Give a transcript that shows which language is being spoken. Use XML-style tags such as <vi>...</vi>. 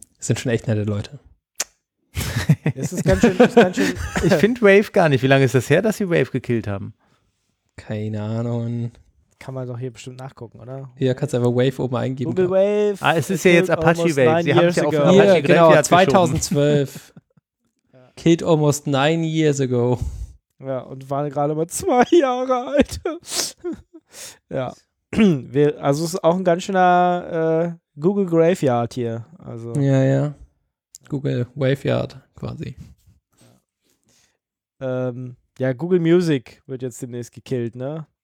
<de>Das sind schon echt nette Leute. Es ist ganz schön, Ich finde Wave gar nicht. Wie lange ist das her, dass sie Wave gekillt haben? Keine Ahnung. Kann man doch hier bestimmt nachgucken, oder? Ja, kannst du einfach Wave oben eingeben. Google Wave. Ah, es ist ja jetzt Apache Wave. Sie haben es ja auch Apache Graphia genau, 2012.</de> <en>Killed almost 9 years ago.</en> <de>Ja, und waren gerade mal 2 Jahre alt. Ja. Also es ist auch ein ganz schöner Google Graveyard hier. Also. Ja, ja. Google Waveyard quasi. Ja. Ja, Google Music wird jetzt demnächst gekillt, ne?</de>